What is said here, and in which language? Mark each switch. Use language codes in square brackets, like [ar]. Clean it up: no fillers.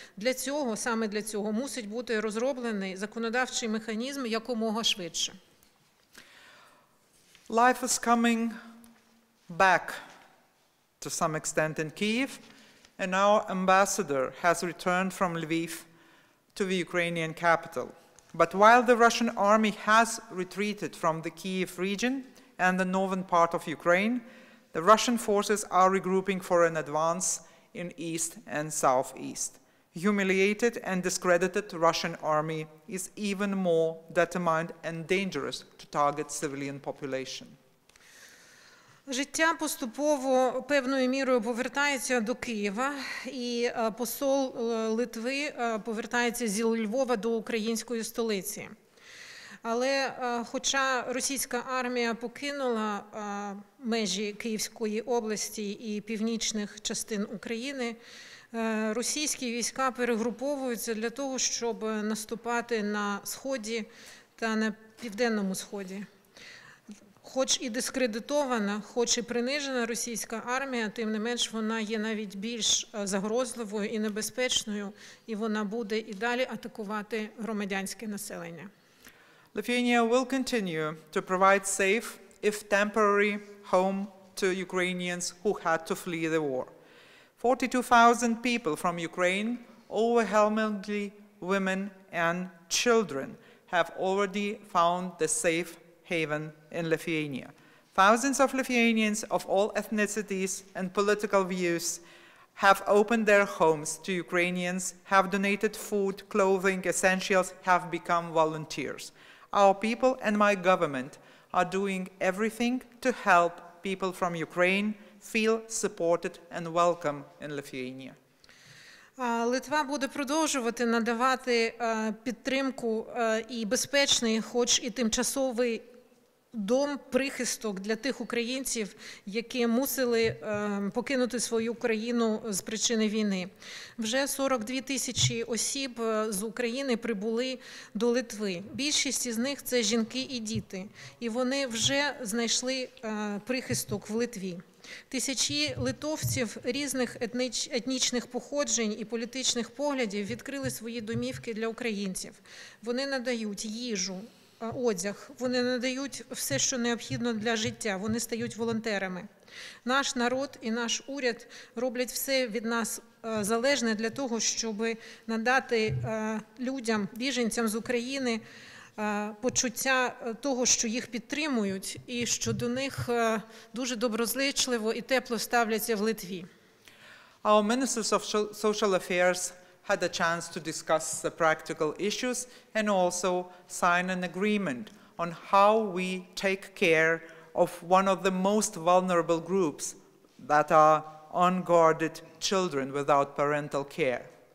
[uk] Для цього, саме для цього, мусить бути розроблений законодавчий механізм якомога швидше. [en] Life is coming back to some extent in Kyiv, and our ambassador has returned from Lviv to the Ukrainian capital. But while the Russian army has retreated from the Kyiv region and the northern part of Ukraine, the Russian forces are regrouping for an advance in east and southeast. Humiliated and discredited Russian army is even more determined and dangerous to target civilian population. [uk] Життя поступово певною мірою повертається до Києва, і посол Литви повертається зі Львова до української столиці. Але хоча російська армія покинула межі Київської області і північних частин України, російські війська перегруповуються для того, щоб наступати на сході та на південному сході. Хоч і дискредитована, хоч і принижена російська армія, тим не менш вона є навіть більш загрозливою і небезпечною, і вона буде і далі атакувати громадянське населення. [en] Lithuania will continue to provide safe, if temporary, home to Ukrainians who had to flee the war. 42,000 people from Ukraine, overwhelmingly women and children, have already found the safe haven in Lithuania. Thousands of Lithuanians of all ethnicities and political views have opened their homes to Ukrainians, have donated food, clothing, essentials, have become volunteers. Our people and my government are doing everything to help people from Ukraine feel supported and welcome in Lithuania. [uk] Литва буде продовжувати надавати підтримку і безпечний, хоч і тимчасовий дом прихисток для тих українців, які мусили покинути свою країну з причини війни. Вже 42 тисячі осіб з України прибули до Литви. Більшість із них – це жінки і діти. І вони вже знайшли прихисток в Литві. Тисячі литовців різних етнічних походжень і політичних поглядів відкрили свої домівки для українців. Вони надають їжу, одяг. Вони надають все, що необхідно для життя. Вони стають волонтерами. Наш народ і наш уряд роблять все від нас залежне для того, щоб надати людям, біженцям з України, почуття того, що їх підтримують і що до них дуже доброзичливо і тепло ставляться в Литві. [en] Our ministers of social affairs had a chance to discuss the practical issues and also sign an agreement on how we take care of one of the most vulnerable groups, that are unguarded children without parental care.